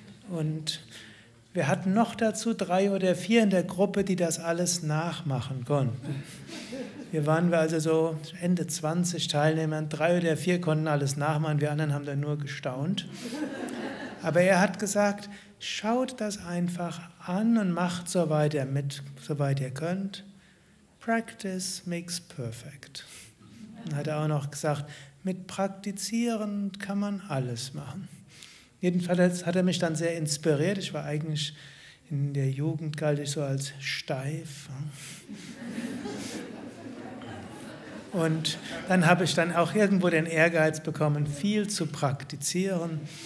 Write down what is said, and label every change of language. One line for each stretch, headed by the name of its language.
German: Und wir hatten noch dazu 3 oder 4 in der Gruppe, die das alles nachmachen konnten. Hier waren wir also so Ende 20 Teilnehmern, 3 oder 4 konnten alles nachmachen, wir anderen haben dann nur gestaunt. Aber er hat gesagt, schaut das einfach an und macht so weiter mit, soweit ihr könnt.
English: Practice makes perfect.
German: Dann hat er auch noch gesagt, mit Praktizieren kann man alles machen. Jedenfalls hat er mich dann sehr inspiriert. Ich war eigentlich in der Jugend, galt ich so als steif. Und dann habe ich dann auch irgendwo den Ehrgeiz bekommen, viel zu praktizieren.